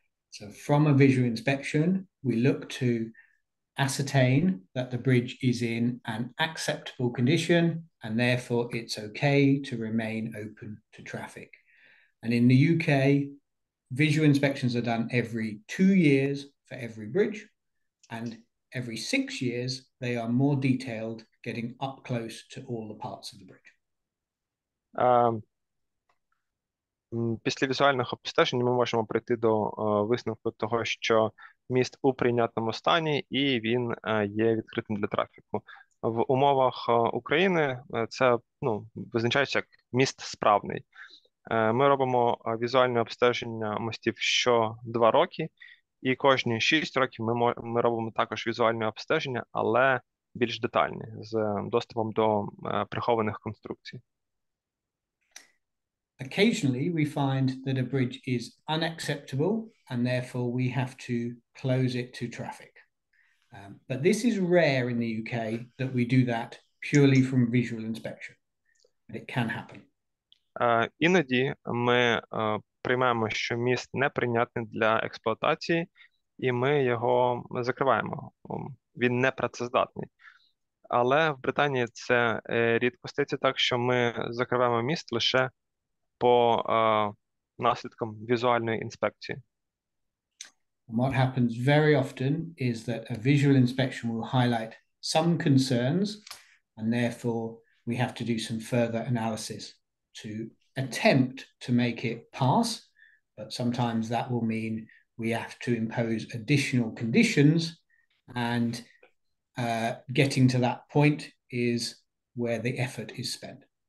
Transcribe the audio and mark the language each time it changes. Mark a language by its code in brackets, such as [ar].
[en] So from a visual inspection, we look to ascertain that the bridge is in an acceptable condition and therefore it's okay to remain open to traffic. And in the UK, visual inspections are done every 2 years for every bridge, and every 6 years they are more detailed, getting up close to all the parts of the bridge. [uk] Після візуальних обстежень ми можемо прийти до висновку того, що міст у прийнятному стані і він є відкритим для трафіку. В умовах України це, ну, визначається як міст справний. Ми робимо візуальне обстеження мостів що 2 роки, і кожні 6 років ми робимо також візуальне обстеження, але більш детальне, з доступом до прихованих конструкцій. [en] Occasionally, we find that a bridge is unacceptable and therefore we have to close it to traffic. But this is rare in the UK that we do that purely from visual inspection. But it can happen. [uk] Іноді ми приймаємо, що міст неприйнятний для експлуатації, і ми його закриваємо. Він не працездатний. Але в Британії це рідко стається так, що ми закриваємо міст лише по наслідкам візуальної інспекції. [en] And what happens very often is that a visual inspection will highlight some concerns, and therefore we have to do some further analysis to attempt to make it pass, but sometimes that will mean we have to impose additional conditions, and getting to that point is where the effort is spent.